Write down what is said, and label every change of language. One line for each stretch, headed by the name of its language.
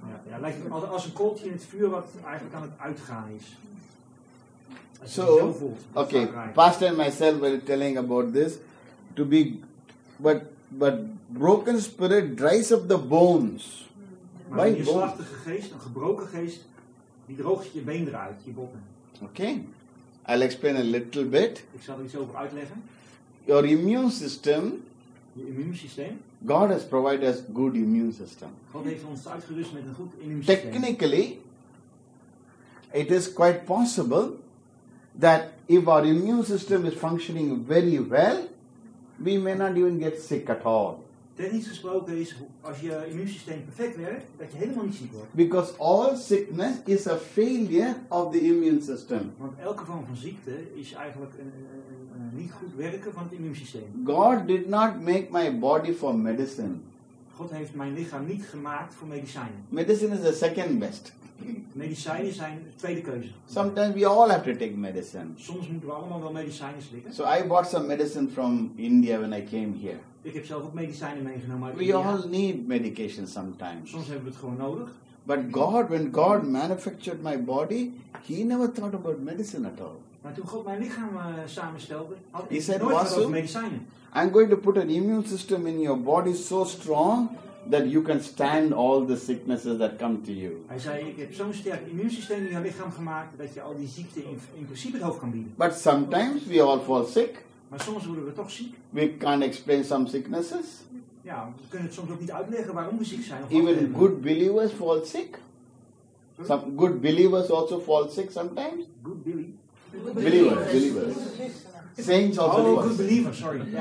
Dutch: Ja, lijkt het als een kooltje in het vuur wat eigenlijk aan het uitgaan is.
English: So, okay, Pastor and myself were telling about this, to be, but broken spirit dries up the bones.
Dutch: Maar een geslachtige geest, een gebroken geest, die droogt je been eruit, je botten.
English: Okay, I'll explain a little bit.
Dutch: Ik zal er iets over uitleggen.
English: Your immune system.
Dutch: Je immuunsysteem.
English: God has provided us good immune system.
Dutch: God heeft ons uitgerust met een goed immuunsysteem.
English: Technically, it is quite possible that if our immune system is functioning very well, we may not even get sick at all.
Dutch: Technisch gesproken is, als je immuunsysteem perfect werkt, dat je helemaal niet ziek wordt.
English: Because all sickness is a failure of the immune system.
Dutch: Want elke vorm van ziekte is eigenlijk een niet goed werken van het immuunsysteem.
English: God did not make my body for medicine.
Dutch: God heeft mijn lichaam niet gemaakt voor medicijnen.
English: Medicine is the second best.
Dutch: Medicijnen zijn tweede keuze.
English: Sometimes we all have to take medicine.
Dutch: Soms moeten we allemaal wel medicijnen slikken.
English: So I bought some medicine from India when I came here.
Dutch: Ik heb zelf ook medicijnen meegenomen uit India.
English: We all need medication sometimes.
Dutch: Soms hebben we het gewoon nodig.
English: But God, when God manufactured my body, he never thought about medicine at all.
Dutch: Maar toen God mijn lichaam samenstelde, had hij nooit gedacht over medicijnen.
English: I'm going to put an immune system in your body so strong that you can stand all the sicknesses that come to you.
Dutch: Hij zei, ik heb zo'n sterk immuunsysteem in je lichaam gemaakt dat je al die ziekten in principe het hoofd kan bieden.
English: But sometimes we all fall sick.
Dutch: Maar soms worden we toch ziek.
English: We can't explain some sicknesses.
Dutch: Ja, we kunnen het soms ook niet uitleggen waarom we ziek zijn.
English: Even good believers fall sick. Some good believers also fall sick sometimes. Good Billy. Believers. Saints also. Oh, good believers, sorry.